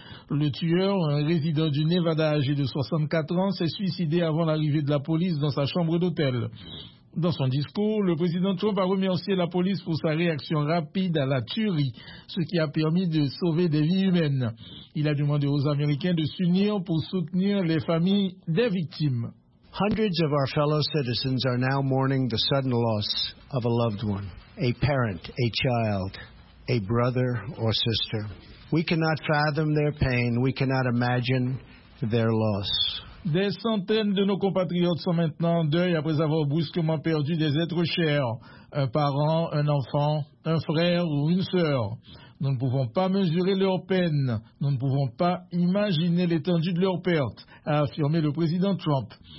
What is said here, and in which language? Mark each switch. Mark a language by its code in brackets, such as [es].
[fr] Le tueur, un résident du Nevada âgé de 64 ans, s'est suicidé avant l'arrivée de la police dans sa chambre d'hôtel. Dans son discours, le président Trump a remercié la police pour sa réaction rapide à la tuerie, ce qui a permis de sauver des vies humaines. Il a demandé aux Américains de s'unir pour soutenir les familles des victimes. [en] Hundreds of our fellow citizens are now mourning the sudden loss of a loved one, a parent, a child, a brother or sister. We cannot fathom their pain, we cannot imagine their loss. [fr] Des centaines de nos compatriotes sont maintenant en deuil après avoir brusquement perdu des êtres chers, un parent, un enfant, un frère ou une sœur. Nous ne pouvons pas mesurer leur peine, nous ne pouvons pas imaginer l'étendue de leur perte, a affirmé le président Trump.